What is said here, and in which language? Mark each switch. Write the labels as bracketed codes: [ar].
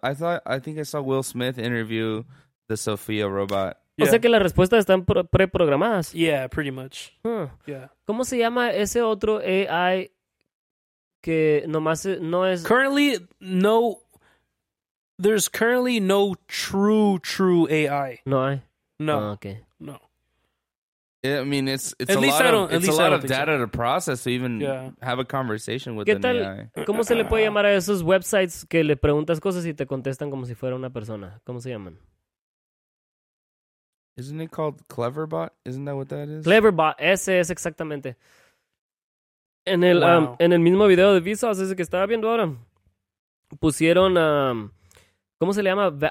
[en] I think I saw Will Smith interview the Sophia robot. Yeah. [es] O sea que las respuestas están preprogramadas. [en] Yeah, pretty much. Huh. Yeah. [es] ¿Cómo se llama ese otro AI que nomás no es? [en] Currently, no. There's currently no true AI. [es] No hay. No. [en] Oh, okay. No. Yeah, I mean, it's a lot of data to process to even have a conversation with an AI. [es] ¿Cómo se le puede llamar a esos websites que le preguntas cosas y te contestan como si fuera una persona? ¿Cómo se llaman? [en] Isn't it called Cleverbot? Isn't that what that is? [es] Cleverbot, ese es exactamente. En el, en el mismo video de Vsauce, ese que estaba viendo ahora, pusieron, ¿cómo se le llama?